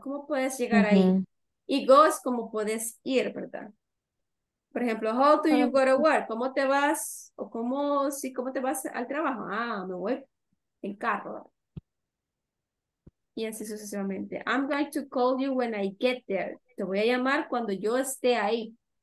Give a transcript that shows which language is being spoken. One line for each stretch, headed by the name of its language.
Spanish: ¿Cómo puedes llegar ahí? Y go es como puedes ir, ¿verdad? Por ejemplo,
English: how do you go to work?
Spanish: ¿Cómo te vas? O cómo, sí, ¿cómo te vas al trabajo? Ah, me voy en carro. Y así sucesivamente.
English: I'm going to call you when I get there.
Spanish: Te voy a llamar cuando yo esté ahí.